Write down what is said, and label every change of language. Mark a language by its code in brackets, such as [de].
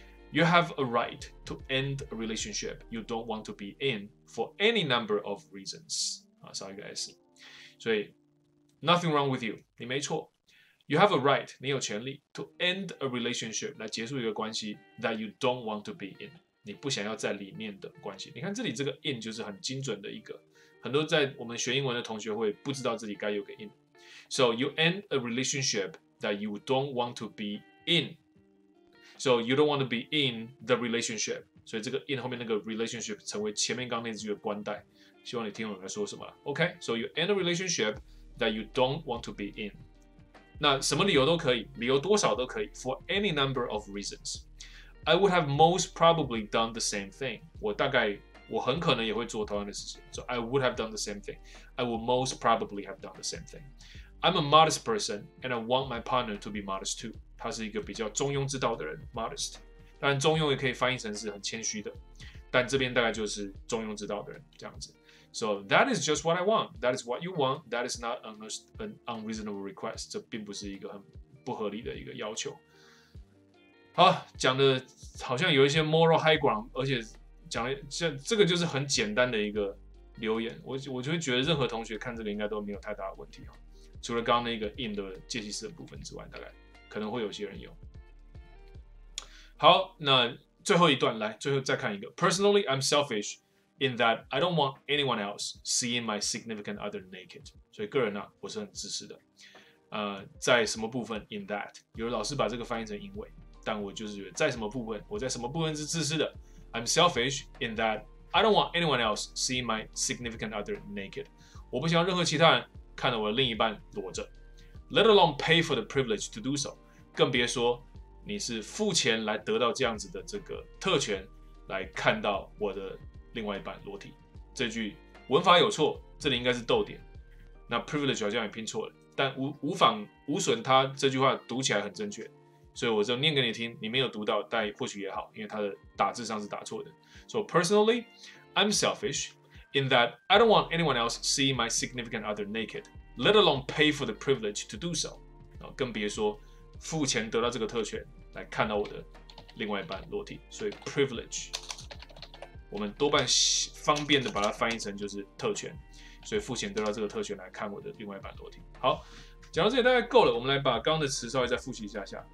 [en] You have a right to end a relationship you don't want to be in for any number of reasons. [zh] 啊，少一个 s。所以 [en] nothing wrong with you， [zh] 你没错。 [en] You have a right， [zh] 你有权利 [en] to end a relationship [zh] 来结束一个关系 [en] that you don't want to be in。 [zh] 你不想要在里面的关系。你看这里这个 in 就是很精准的一个，很多在我们学英文的同学会不知道自己该有个 in。 [en] So you end a relationship that you don't want to be in. So you don't want to be in the relationship. [zh] 所以这个 in 后面那个 relationship 成为前面刚那句的关带，希望你听懂我在说什么。 [en] OK， So you end a relationship that you don't want to be in. [zh] 那什么理由都可以，理由多少都可以， [en] for any number of reasons. I would have most probably done the same thing. [zh] 我大概我很可能也会做同样的事情。 [en] So I would have done the same thing. I would most probably have done the same thing. I'm a modest person, and I want my partner to be modest too. [zh] 他是一个比较中庸之道的人 ，modest. 当然，中庸也可以翻译成是很谦虚的。但这边大概就是中庸之道的人这样子。 [en] So that is just what I want. That is what you want. That is not an unreasonable request. [zh] 这并不是一个很不合理的一个要求。好，讲的好像有一些 [en] moral high ground， [zh] 而且讲像这个就是很简单的一个留言，我就会觉得任何同学看这个应该都没有太大的问题，除了刚刚那个 in 的介系词的部分之外，大概可能会有些人有。好，那最后一段来，最后再看一个。 [en] Personally, I'm selfish in that I don't want anyone else seeing my significant other naked。 [zh] 所以个人呢、啊，我是很自私的。在什么部分 in that？有老师把这个翻译成因为。但我就是觉得在什么部分，我在什么部分是自私的。 [en] I'm selfish in that I don't want anyone else seeing my significant other naked. [zh] 我不希望任何其他人看到我的另一半裸着。 [en] Let alone pay for the privilege to do so. [zh] 更别说你是付钱来得到这样子的这个特权，来看到我的另外一半裸体。这句文法有错，这里应该是逗点。那 privilege 好像也拼错了，但无妨无损，他这句话读起来很正确。所以我就念给你听，你没有读到，但或许也好，因为它的打字上是打错的。 [en] So personally, I'm selfish in that I don't want anyone else seeing my significant other naked, let alone pay for the privilege to do so. [zh] 更别说付钱得到这个特权来看到我的另外一半裸体。所以 privilege， 我们多半方便的把它翻译成就是特权。所以付钱得到这个特权来看我的另外一半裸体。好。讲到这里大概够了，我们来把刚刚的词稍微再复习一下下。